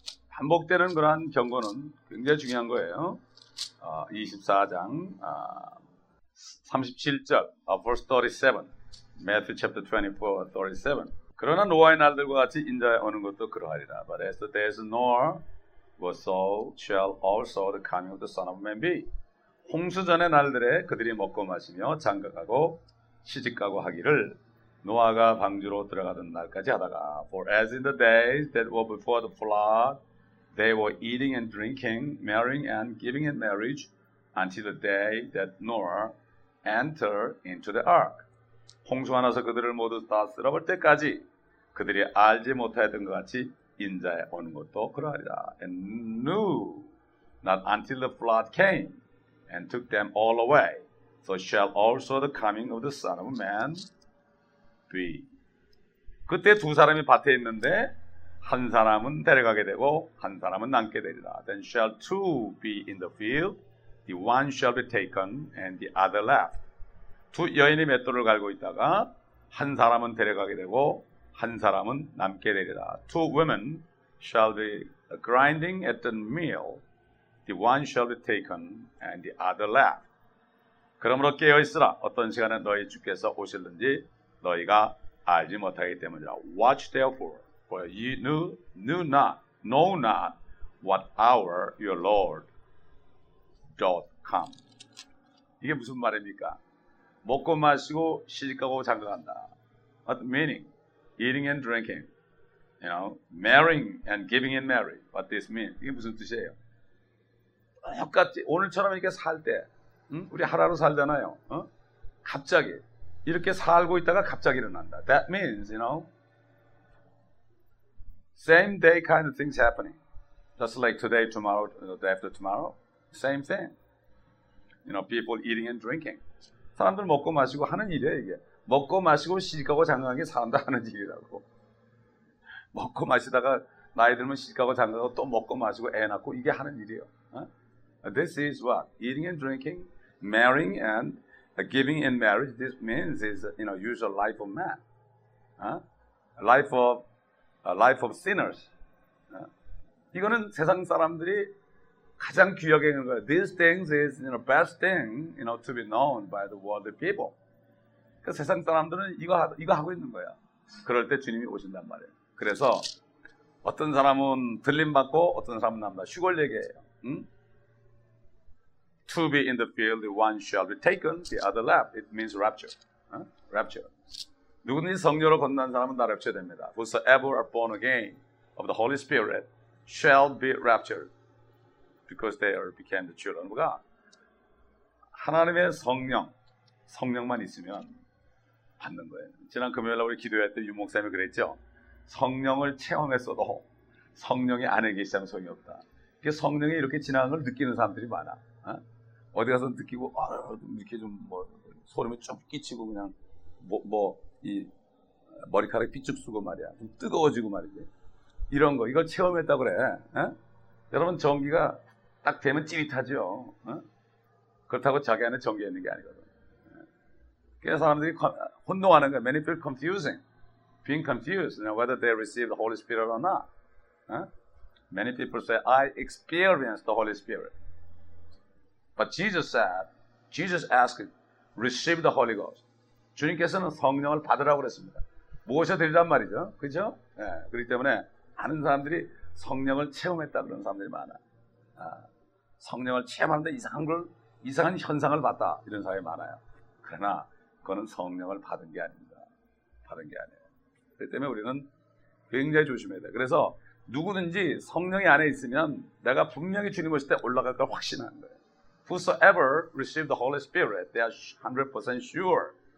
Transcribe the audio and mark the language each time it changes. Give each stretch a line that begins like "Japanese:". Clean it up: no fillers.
Korean: 반복되는 그러한 경고는 굉장히 중요한 거예요. 24장 37절,
English: verse 37. Matthew chapter 24, 37.
Korean: 그러나 노아의 날들과 같이 인자에 오는 것도 그러하리라.
English: But as the days of Noah were so shall also the coming of the Son of Man be.
Korean: 홍수 전의 날들에 그들이 먹고 마시며 장가가고 시집가고 하기를 노아가 방주로 들어가던 날까지 하다가
English: For as in the days that were before the flood, They were eating and drinking, marrying and giving in marriage until the day that Noah entered into the ark.
Korean: 홍수가 나서 그들을 모두 다 쓸어버릴 때까지 그들이 알지 못하였던 것 같이 인자에 오는 것도 그러하리라.
English: And knew not until the flood came and took them all away. So shall also the coming of the Son of Man be.
Korean: 그때 두 사람이 밭에 있는데 한 사람은 데려가게 되고 한 사람은 남게 되리라.
English: Then shall two be in the field, the one shall be taken and the other left.
Korean: 두 여인이 맷돌을 갈고 있다가 한 사람은 데려가게 되고 한 사람은 남게 되리라.
English: Two women shall be grinding at the mill, the one shall be taken and the other left.
Korean: 그러므로 깨어 있으라. 어떤 시간에 너희 주께서 오실는지 너희가 알지 못하기 때문이라.
English: Watch therefore. For ye know not what hour your Lord doth come.
Korean: 이게 무슨 말입니까? 먹고 마시고 시집가고 장가간다.
English: What meaning? Eating and drinking, you know, marrying and giving in marriage. What this mean?
Korean: 이게 무슨 뜻이에요? 똑같이 오늘처럼 이렇게 살 때, 응? 우리 하루하루 살잖아요. 어? 갑자기 이렇게 살고 있다가 갑자기 일어난다.
English: That means, you know. Same day kind of things happening. Just like today, tomorrow, the day after tomorrow. Same thing. You know, people eating and drinking.
Korean: 사람들 먹고 마시고 하는 일이야, 이게. 먹고 마시고 시집가고 장가간 게 사람들 하는 일이라고. 먹고 마시다가 나이 들면 시집가고 장가가고 또 먹고 마시고 애 낳고 이게 하는 일이에요.
English: This is what? Eating and drinking, marrying and giving in marriage. This means is, you know, usual life of man. Life of sinners.
Korean: 이거는 세상 사람들이 가장 귀하게 하는 거예요.
English: These things is the you know, best thing you know, to be known by the worldly people.
Korean: 그러니까 세상 사람들은 이거 하고 있는 거야. 그럴 때 주님이 오신단 말이에요. 그래서 어떤 사람은 들림받고 어떤 사람은 남다. 휴걸 얘기예요. 응?
English: To be in the field, the one shall be taken, the other left. It means rapture. Rapture.
Korean: 누구든지 성녀로 건난 사람은 다 랩처됩니다.
English: Whosoever are born again of the Holy Spirit shall be raptured because they are became the children of God.
Korean: 하나님의 성령만 있으면 받는 거예요. 지난 금요일에 우리 기도할 때 유목사님이 그랬죠. 성령을 체험했어도 성령이 안에 계시다면 소용이 없다. 성령이 이렇게 지나간 걸 느끼는 사람들이 많아. 어디 가서 느끼고 이렇게 좀 뭐 소름이 좀 끼치고 그냥 이 머리카락이 삐죽 쓰고 말이야. 좀 뜨거워지고 말이지. 이런 거. 이걸 체험했다 그래. 에? 여러분, 전기가 딱 되면 찌릿하죠. 에? 그렇다고 자기 안에 전기가 있는 게 아니거든. 그래서 사람들이 혼동하는 거야.
English: Many people confusing. Being confused. Now, whether they receive the Holy Spirit or not. 에? Many people say, I experienced the Holy Spirit. But Jesus said, Jesus asked, receive the Holy Ghost.
Korean: 주님께서는 성령을 받으라고 그랬습니다. 모셔 드리란 말이죠. 그죠? 예. 그렇기 때문에 많은 사람들이 성령을 체험했다 그런 사람들이 많아. 아, 성령을 체험하는데 이상한 현상을 봤다. 이런 사람이 많아요. 그러나, 그거는 성령을 받은 게 아닙니다. 받은 게 아니에요. 그렇기 때문에 우리는 굉장히 조심해야 돼. 그래서 누구든지 성령이 안에 있으면 내가 분명히 주님 오실 때 올라갈 걸 확신하는 거예요.
English: Whosoever received the Holy Spirit, they are 100% sure.